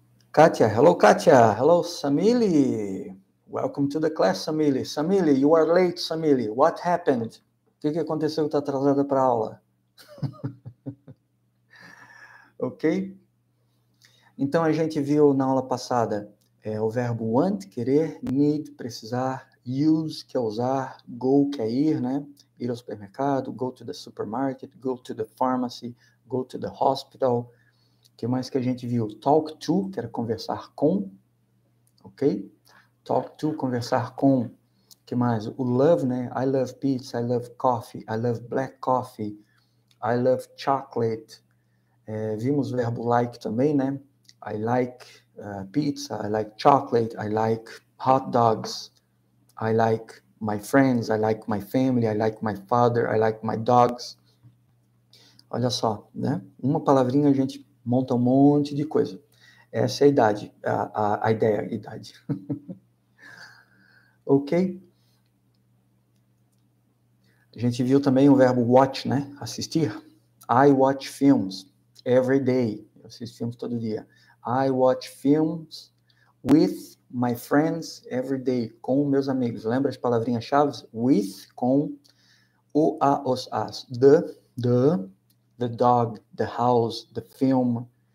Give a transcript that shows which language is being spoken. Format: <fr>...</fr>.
<en>Katia. Hello, Katia. Hello, Samili. Welcome to the class, Samili. Samili, you are late, Samili. What happened?</en> <pt>O que aconteceu que está atrasada para a aula? Ok? Então, a gente viu na aula passada o verbo want, querer, need, precisar, use, que é usar, go, que é ir, né? Ir ao supermercado,</pt> <en>go to the supermarket, go to the pharmacy, go to the hospital.</en> <pt>O que mais que a gente viu? Talk to, que era conversar com. Ok? Talk to, conversar com. O que mais? O love, né?</pt> <en>I love pizza, I love coffee, I love black coffee, I love chocolate.</en> <pt>Vimos o verbo like também, né?</pt> <en>I like pizza, I like chocolate, I like hot dogs, I like my friends, I like my family, I like my father, I like my dogs.</en> <pt>Olha só, né? Uma palavrinha a gente monta um monte de coisa. Essa é a idade, a ideia, a idade. Ok? A gente viu também o verbo watch, né?</pt> <en>Assistir. I watch films every day.</en> <pt>Eu assisto filmes todo dia.</pt> <en>I watch films with my friends every day.</en> <pt>Com meus amigos. Lembra as palavrinhas-chave? With, com, o, a, os, as.</pt> <en>The dog, the house, the film.</en>